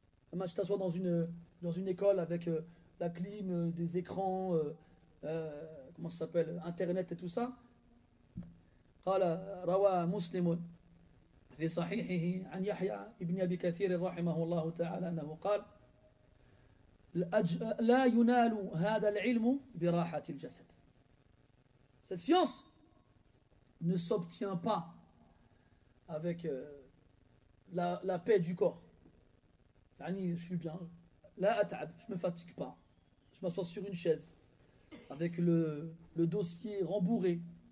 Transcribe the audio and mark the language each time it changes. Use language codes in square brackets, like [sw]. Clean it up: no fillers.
[fr] Maintenant, tu t'assois dans une école avec la clim, des écrans, comment ça s'appelle, internet et tout ça. [ar] قال روى مسلم في صحيحه عن يحيى ابن أبي كثير رحمه الله تعالى أنه قال لا ينال هذا العلم براحة الجسد. [fr] Cette science ne s'obtient pas avec la paix du corps. يعني je suis bien. [ar] لا أتعب. [fr] Je me fatigue pas. Je m'assois sur une chaise avec le dossier rembourré.